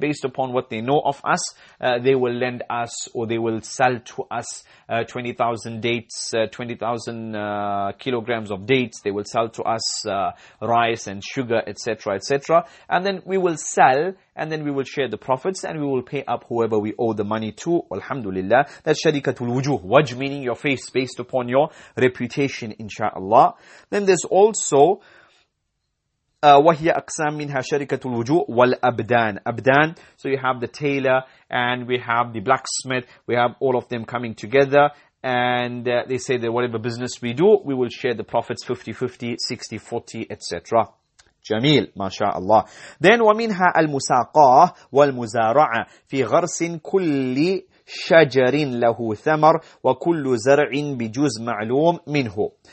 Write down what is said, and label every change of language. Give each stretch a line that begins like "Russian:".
English: Based upon what they know of us, they will lend us, or they will sell to us 20,000 dates, 20,000 kilograms of dates. They will sell to us rice and sugar, etc., etc. And then we will sell, and then we will share the profits, and we will pay up whoever we owe the money to. Alhamdulillah. That's sharikatul wujuh. Waj meaning your face, based upon your reputation, inshallah. Then there's also
Arabic: وَهِيَ أَقْسَامٍ مِنْهَا شَرِكَةُ الْوُجُوهِ وَالْأَبْدَانِ.
English: Abdan, so you have the tailor, and we have the blacksmith, we have all of them coming together, and they say that whatever business we do, we will share the profits 50-50, 60-40, etc. Jameel, mashaAllah. Then,
Arabic: وَمِنْهَا الْمُسَاقَاهِ وَالْمُزَارَعَةِ فِي غَرْسٍ كُلِّ شَجَرٍ لَهُ ثَمَرْ وَكُلُّ زَرْعٍ بِجُزْ مَعْلُومٍ مِنْهُ.